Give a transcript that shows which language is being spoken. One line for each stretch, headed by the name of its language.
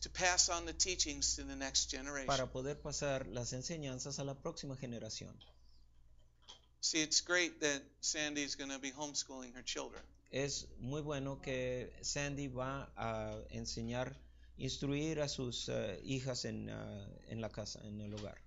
English: To pass on the teachings to the next generation.
Spanish: Para poder pasar las enseñanzas a la próxima generación.
English: See, it's great that Sandy is going to be homeschooling her children.
Spanish: Es muy bueno que Sandy va a enseñar, instruir a sus hijas en la casa, en el hogar.